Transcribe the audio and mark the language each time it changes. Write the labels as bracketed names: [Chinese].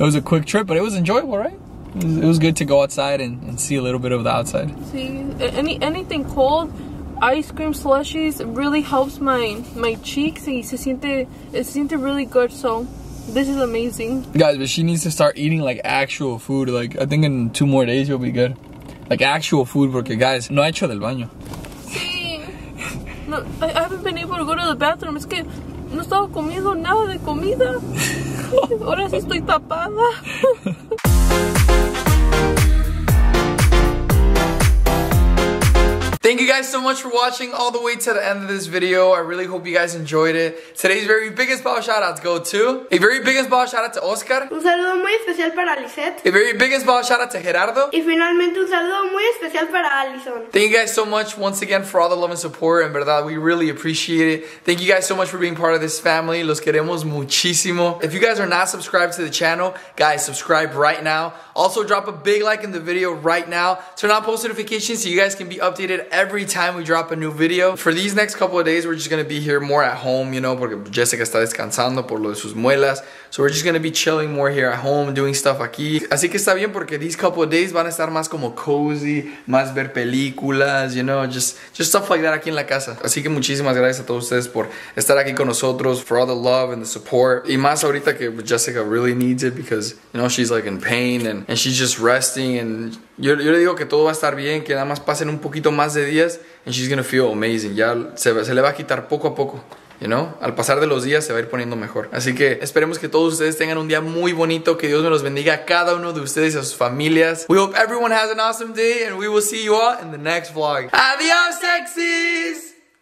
[English] It was a quick trip, but it was enjoyable, right? It was good to go outside and see a little bit of the outside. [Spanish] Sí. [English] Anything cold, ice cream slushies, really helps my cheeks. [Spanish] Y se siente [English] really good, so... This is amazing. Guys, but she needs to start eating like actual food. Like, I think in 2 more days, you'll be good. Like actual food, [Spanish] porque guys, no ha hecho del baño. Sí. [English] No, I haven't been able to go to the bathroom. [Spanish] Es que no estaba comiendo nada de comida. Ahora sí estoy tapada. [English] Thank you guys so much for watching all the way to the end of this video. I really hope you guys enjoyed it. Today's very biggest ball shout outs go to a very biggest ball shout out to Oscar. [Spanish] Un saludo muy especial para Lisette. [English] A very biggest ball shout out to Gerardo. [Spanish] Y finalmente un saludo muy especial para Allison. [English] Thank you guys so much once again for all the love and support. [Spanish] En verdad, [English] we really appreciate it. Thank you guys so much for being part of this family. [Spanish] Los queremos muchísimo. [English] If you guys are not subscribed to the channel, guys, subscribe right now. Also, drop a big like in the video right now. Turn on post notifications so you guys can be updated every time we drop a new video. For these next couple of days, we're just gonna be here more at home, you know, [Spanish] porque Jessica está descansando por lo de sus muelas. [English] So we're just gonna be chilling more here at home, doing stuff aquí. [Spanish] Así que está bien porque [English] these couple of days [Spanish] van a estar más como [English] cozy, [Spanish] más ver películas, [English] you know, just stuff like that [Spanish] aquí en la casa. Así que muchísimas gracias a todos ustedes por estar aquí con nosotros, [English] for all the love and the support. [Spanish] Y más ahorita que [English] Jessica really needs it because, you know, she's like in pain and she's just resting. [Spanish] And yo le digo que todo va a estar bien, que nada más pasen un poquito más de días [English] and she's gonna feel amazing. [Spanish] Ya se le va a quitar poco a poco. [English] You know, [Spanish] al pasar de los días se va a ir poniendo mejor. Así que esperemos que todos ustedes tengan un día muy bonito. Que Dios me los bendiga a cada uno de ustedes y a sus familias. [English] We hope everyone has an awesome day and we will see you all in the next vlog. Adiós, sexies.